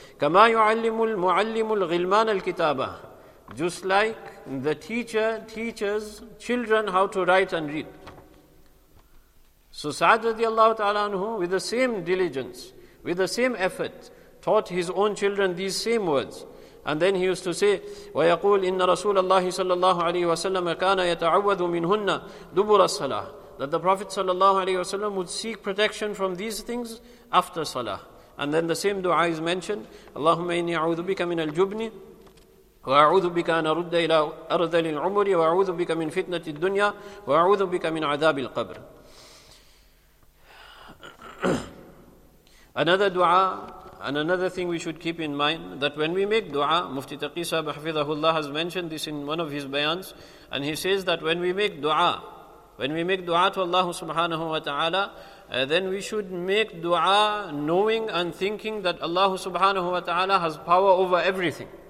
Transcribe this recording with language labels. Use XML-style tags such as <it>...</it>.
<ar>Kama yu'allimul mu'allimul ghilman al-kitabah.</ar> <en>Just like the teacher teaches children how to write and read. So Sa'd radiallahu ta'ala anhu, with the same diligence, with the same effort, taught his own children these same words. And then he used to say,</en> <ar>وَيَقُولْ إِنَّ رَسُولَ اللَّهِ صَلَّى اللَّهُ عَلَيْهِ وَسَلَّمَ كَانَ يَتَعَوَّذُ مِنْهُنَّ دُبُرَ الصَّلَاةِ.</ar> <en>That the Prophet sallallahu alayhi wa sallam would seek protection from these things after salah. And then the same dua is mentioned,</en> <ar>اللَّهُمَّ إِنِّي أَعُوذُ بِكَ مِنَ الْجُبْنِ وَأَعُوذُ بِكَ أَنَ رُدَّ إِلَىٰ أَرْذَلِ الْعُمُرِ وَأَعُوذُ بِكَ مِنْ فِتْنَةِ الدُّنْيَا وَأَعُوذُ بِكَ مِنْ عَذَابِ الْقَبْرِ.</ar> <en>Another dua, and another thing we should keep in mind, that when we make dua, Mufti Taqi Sahib Hafidhahullah has mentioned this in one of his bayans, and he says that when we make dua to Allah subhanahu wa ta'ala, then we should make dua knowing and thinking that Allah subhanahu wa ta'ala has power over everything.</en>